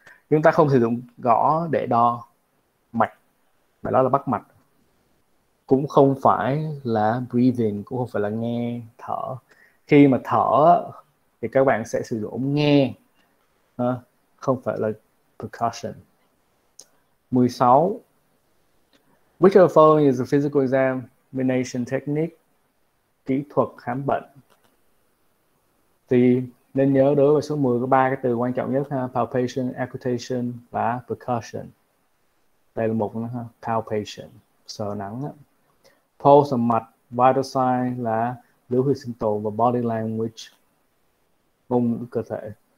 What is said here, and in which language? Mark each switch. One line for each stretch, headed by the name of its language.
Vietnamese: Chúng ta không sử dụng gõ để đo mạch, mà đó là bắt mạch. Cũng không phải là breathing, cũng không phải là nghe thở. Khi mà thở thì các bạn sẽ sử dụng nghe, không phải là percussion. 16.
English: Which of the following is a physical examination technique?
Vietnamese: Kỹ thuật khám bệnh. Thì nên nhớ đối với số 10 có ba cái từ quan trọng nhất ha: palpation, agitation và percussion. Đây là một nữa ha: palpation, sờ nắng đó. Pulse là mạch, vital sign là dấu hiệu sinh tồn và body language, ngôn ngữ cơ thể.